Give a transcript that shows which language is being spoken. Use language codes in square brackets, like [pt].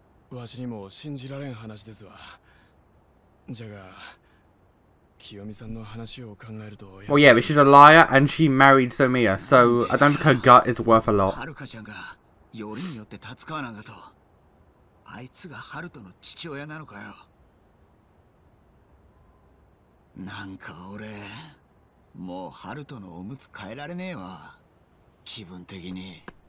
[ja] わしにも信じられん話ですわ。じゃが、清美さんの話を考えると、 [en] Well, yeah, but she's a liar and she married Somiya, so I don't think her gut is worth a lot. [ja] ハルカちゃんがよりによって立つ川なんだと、あいつがハルトの父親なのかよ。なんか俺、もうハルトのおむつ変えられねえわ。気分的に。